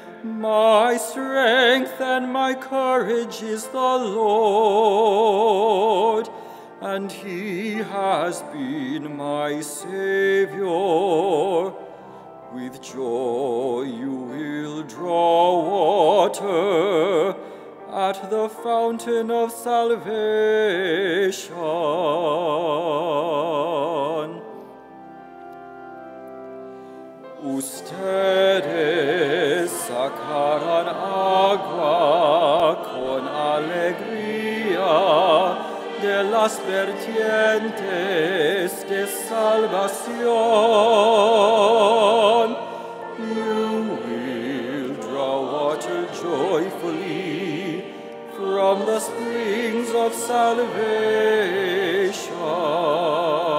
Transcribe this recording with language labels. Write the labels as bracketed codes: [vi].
[en] My strength and my courage is the Lord, and He has been my Savior. With joy you will draw water at the fountain of salvation. [es] Ustedes sacarán agua con alegría de las vertientes de salvación. [en] You will draw water joyfully from the springs of salvation.